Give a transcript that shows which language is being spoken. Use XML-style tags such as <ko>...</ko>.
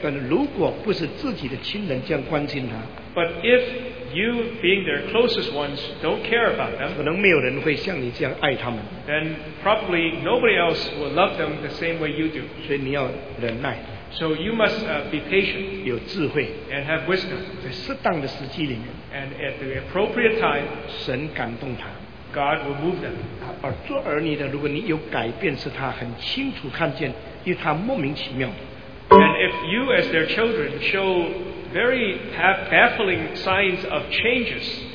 <en>But if you, being their closest ones, don't care about them, then probably nobody else will love them the same way you do. So you must be patient and have wisdom. And at the appropriate time, God will move them.</en> <zh>而做儿女的，如果你有改变，是他很清楚看见，因为他莫名其妙。</zh> <en>And if you, as their children, show very baffling signs of changes,</en>